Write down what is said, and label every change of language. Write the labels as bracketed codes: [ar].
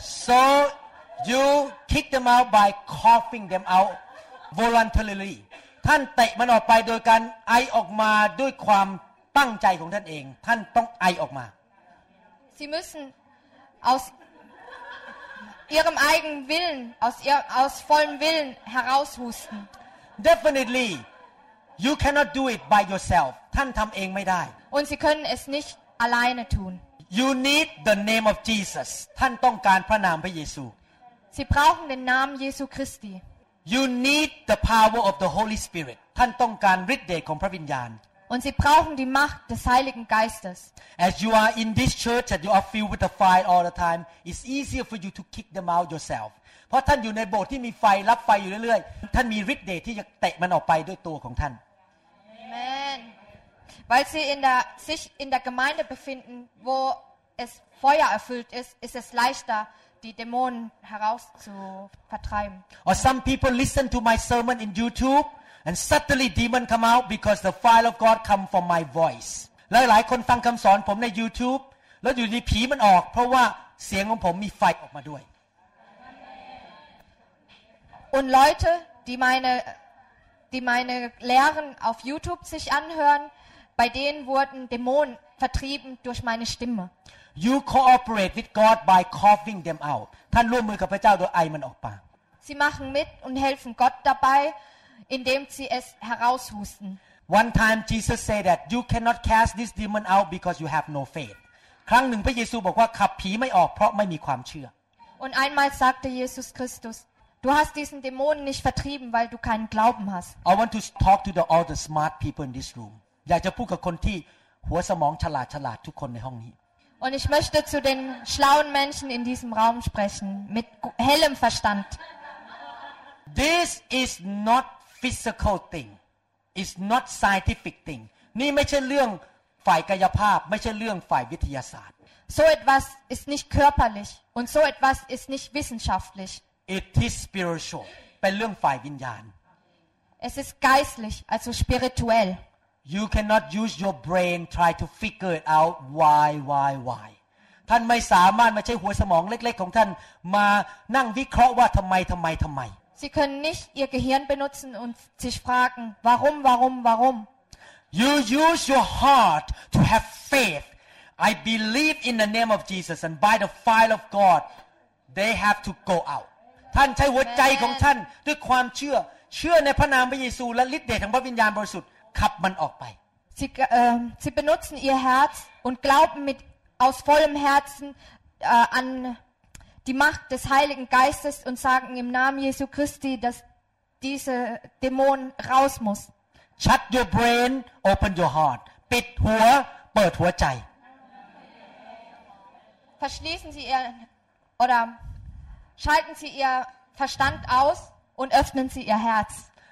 [en] So you kick them out by coughing them out voluntarily. [th] ท่านเตะมันออกไปโดยการไอออกมาด้วยความตั้งใจของท่านเองท่านต้องไอออกมา [de] Sie müssen aus ihrem eigenen Willen, aus vollem Willen heraushusten. [en] Definitely, you cannot do it by yourself. [th] ท่านทำเองไม่ได้ [de] Und sie können es nicht alleine tun. [en] You need the name of Jesus. [th] ท่านต้องการพระนามพระเยซู [de] Sie brauchen den Namen Jesu Christi. [en] You need the power of the Holy Spirit. [th] ท่านต้องการฤทธิ์เดชของพระวิญญาณ [de] Und sie brauchen die Macht des Heiligen Geistes. [en] As you are in this church that you are filled with the fire all the time, it's easier for you to kick them out yourself. [th] เพราะท่านอยู่ในโบสถ์ที่มีไฟรับไฟอยู่เรื่อยๆท่านมีฤทธิ์เดชที่จะเตะมันออกไปด้วยตัวของท่าน [de] Amen Weil sie sich in der Gemeinde befinden, wo es Feuer erfüllt ist, ist es leichter, die Dämonen heraus zu vertreiben. [en] Or some people listen to my sermon in YouTube and suddenly demon come out because the fire of God come from my voice. [th] หลายๆคนฟังคำสอนผมใน YouTube แล้วอยู่ดีผีมันออกเพราะว่าเสียงของผมมีไฟออกมาด้วย [de] Und Leute, die meine Lehren auf YouTube sich anhören, bei denen wurden Dämonen vertrieben durch meine Stimme. [en] You cooperate with God by coughing them out. [th] ท่านร่วมมือกับพระเจ้าโดยไอมันออกไป [de] Sie machen mit und helfen Gott dabei, indem sie es heraushusten. [en] One time Jesus said that you cannot cast this demon out because you have no faith. [th] ครั้งหนึ่งพระเยซูบอกว่าขับผีไม่ออกเพราะไม่มีความเชื่อ [de] Und einmal sagte Jesus Christus,Du hast diesen Dämonen nicht vertrieben, weil du keinen Glauben hast. [en] I want to talk to all the smart people in this room. [th] อยากจะพูดกับคนที่หัวสมองฉลาดทุกคนในห้องนี้ [de] Und ich möchte zu den schlauen Menschen in diesem Raum sprechen mit hellem Verstand. [en] This is not physical thing. It's not scientific thing. [th] นี่ไม่ใช่เรื่องฝ่ายกายภาพไม่ใช่เรื่องฝ่ายวิทยาศาสตร์ [de] So etwas ist nicht körperlich und so etwas ist nicht wissenschaftlich. [en] It is spiritual. [th] เป็นเรื่องฝ่ายวิญญาณ [de] Es ist geistlich, also spirituell. [en] You cannot use your brain try to figure it out why. [th] ท่านไม่สามารถมาใช้หัวสมองเล็กๆของท่านมานั่งวิเคราะห์ว่าทำไม [de] Sie können nicht ihr Gehirn benutzen und sich fragen, warum. [en] You use your heart to have faith. I believe in the name of Jesus and by the fire of God, they have to go out. [th] ท่านใช้หัวใจของท่านด้วยความเชื่อในพระนามพระเยซูและฤทธิ์เดชของพระวิญญาณบริสุทธิ์ขับมันออกไป [de] Sie benutzen ihr Herz und glauben mit aus vollem Herzen an die Macht des Heiligen Geistes und sagen im Namen Jesu Christi dass diese Dämon raus muss [en] Shut your brain open your heart [th] ปิดหัวเปิดหัวใจ [de] Verschließen Sie ihr oderSchalten Sie Ihr Verstand aus und öffnen Sie Ihr Herz.